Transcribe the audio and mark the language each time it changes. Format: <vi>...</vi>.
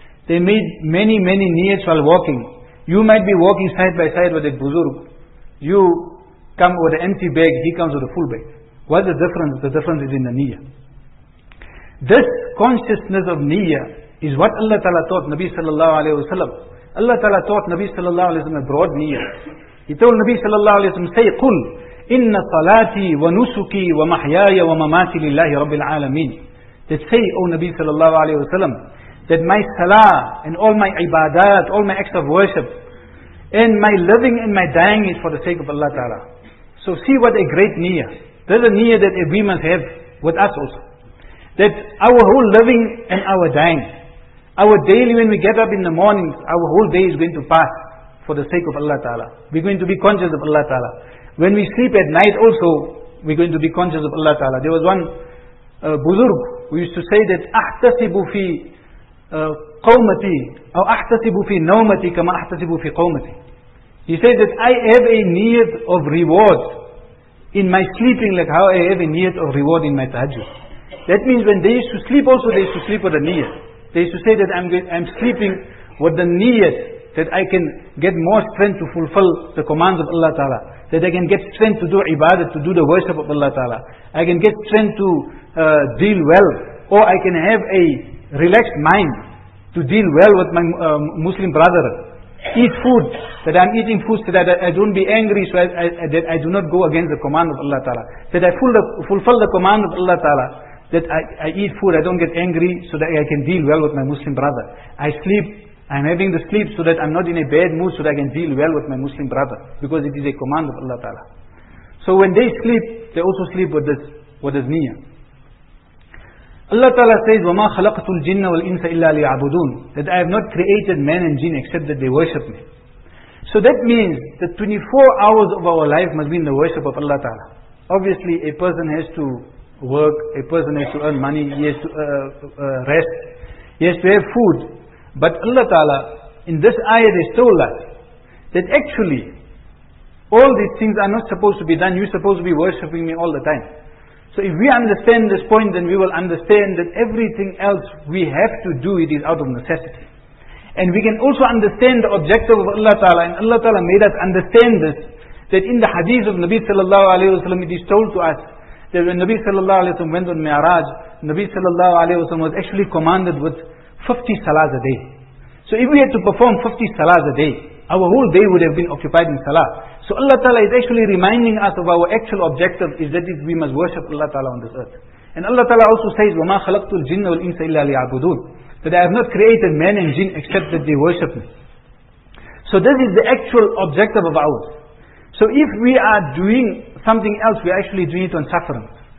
<en>They made many, many niyats while walking. You might be walking side by side with a buzurg. You come with an empty bag, he comes with a full bag. What's the difference? The difference is in the niyyah. This consciousness of niyyah is what Allah Ta'ala taught Nabi Sallallahu Alaihi Wasallam. Allah Ta'ala taught Nabi Sallallahu Alaihi Wasallam a broad niyyah. He told Nabi Sallallahu Alaihi Wasallam, say,</en> <ar>قُلْ إِنَّ صَلَاتِي وَنُسُكِي وَمَحْيَايَ وَمَمَاتِ لِلَّهِ رَبِّ الْعَالَمِينَ.</ar> <en>That say, O Nabi Sallallahu Alaihi Wasallam, that my salah and all my ibadat, all my acts of worship, and my living and my dying is for the sake of Allah Ta'ala. So see what a great niyyah. This is a niyyah that we must have with us also. That our whole living and our dying, our daily when we get up in the morning, our whole day is going to pass for the sake of Allah Ta'ala. We're going to be conscious of Allah Ta'ala. When we sleep at night also, we're going to be conscious of Allah Ta'ala. There was one buzurg who used to say that,</en> <ar>أَحْتَسِبُ فِي قَوْمَتِي أَوْ أَحْتَسِبُ فِي نَوْمَتِي كَمَا أَحْتَسِبُ فِي قَوْمَتِي.</ar> <en>He said that I have a need of reward in my sleeping, like how I have a need of reward in my tahajjud. That means when they used to sleep also, they used to sleep with a niyyah. They used to say that I'm sleeping with the niyyah that I can get more strength to fulfill the commands of Allah Ta'ala. That I can get strength to do ibadah, to do the worship of Allah Ta'ala. I can get strength to deal well. Or I can have a relaxed mind to deal well with my Muslim brother. Eat food, that I'm eating food so that I don't be angry, so that I do not go against the command of Allah Ta'ala. That I fulfill the command of Allah Ta'ala. That I eat food, I don't get angry, so that I can deal well with my Muslim brother. I sleep, I'm having the sleep so that I'm not in a bad mood, so that I can deal well with my Muslim brother. Because it is a command of Allah Ta'ala. So when they sleep, they also sleep with this niyyah. Allah Ta'ala says,</en> <ar>وَمَا خَلَقْتُ الْجِنَّ وَالْإِنْسَ إِلَّا لِيَعْبُدُونَ.</ar> <en>That I have not created man and jinn except that they worship me. So that means that 24 hours of our life must be in the worship of Allah Ta'ala. Obviously, a person has to work, a person has to earn money, he has to rest, he has to have food. But Allah Ta'ala, in this ayah, has told us that actually, all these things are not supposed to be done, you're supposed to be worshipping me all the time. So if we understand this point, then we will understand that everything else we have to do, it is out of necessity. And we can also understand the objective of Allah Ta'ala, and Allah Ta'ala made us understand this, that in the hadith of Nabi Sallallahu Alaihi Wasallam, it is told to us, that when Nabi Sallallahu Alaihi Wasallam went on Mi'raj, Nabi Sallallahu Alaihi Wasallam was actually commanded with 50 salahs a day. So if we had to perform 50 salahs a day, our whole day would have been occupied in salah. So Allah Ta'ala is actually reminding us of our actual objective, is that we must worship Allah Ta'ala on this earth. And Allah Ta'ala also says,</en> <ar>وَمَا خَلَقْتُ الْجِنَّ وَالْإِنْسَ إِلَّا لِيَعْبُدُونَ.</ar> <en>That I have not created man and jinn except that they worship me. So this is the actual objective of ours. So if we are doing something else, we are actually doing it on suffering.</en>